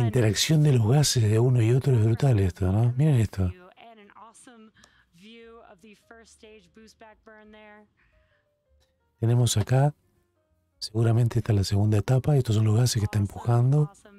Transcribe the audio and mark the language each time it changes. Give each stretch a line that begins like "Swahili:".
Spanish: La interacción de los gases de uno y otro es brutal esto, ¿no? Miren esto.
English: And an awesome view of the first stage boost back burn there.
Spanish: Tenemos acá, seguramente está la segunda etapa, estos son los gases que está empujando.